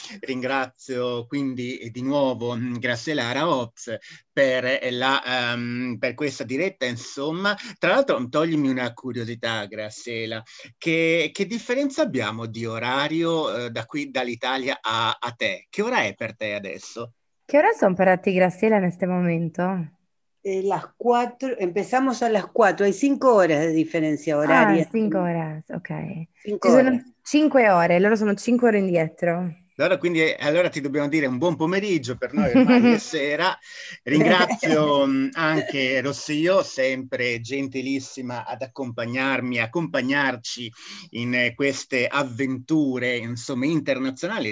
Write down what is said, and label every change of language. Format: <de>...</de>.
<it>Ringrazio quindi di nuovo Graciela Araoz per questa diretta, insomma. Tra l'altro, toglimi una curiosità, Graciela. Che differenza abbiamo di orario da qui dall'Italia a te? Che ora è per te adesso? Che ora sono per te, Graciela, in questo momento?</it> <es>Las cuatro, empezamos a las cuatro, hay 5 horas de diferencia horaria. Ah, 5 horas, ok.</es> <it>Cinque ore, loro sono 5 ore indietro. Allora, quindi, allora ti dobbiamo dire un buon pomeriggio per noi ormai di sera. Ringrazio anche Rossio, sempre gentilissima ad accompagnarmi, accompagnarci in queste avventure, insomma, internazionali.</it>